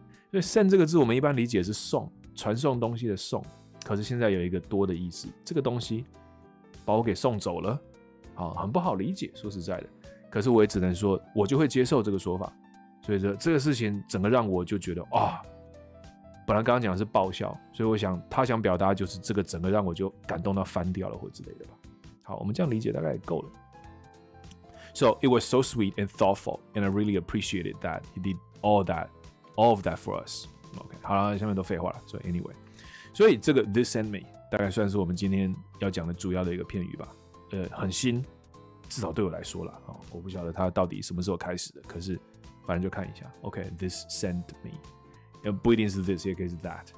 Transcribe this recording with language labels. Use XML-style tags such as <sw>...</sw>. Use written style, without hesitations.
<zh>所以 send 这个字我们一般理解是送，传送东西的送，可是现在有一个多的意思，这个东西把我给送走了，很不好理解，说实在的。可是我也只能说，我就会接受这个说法，所以说这个事情整个让我就觉得啊、哦，本来刚刚讲的是爆笑，所以我想他想表达就是这个整个让我就感动到翻掉了或之类的吧。好，我们这样理解大概也够了。</zh> <en>So it was so sweet and thoughtful, and I really appreciated that he did all of that for us.</en> <zh>OK， 好了，下面都废话了。所以 anyway， 所以这个</zh> <en>this and me</en> <zh>大概算是我们今天要讲的主要的一个片语吧。很新。至少对我来说啦，我不晓得他到底什么时候开始的，可是反正就看一下。 OK，</zh> <en>this sent me，</en> <zh>不一定是 this， 也可以是 that。</zh>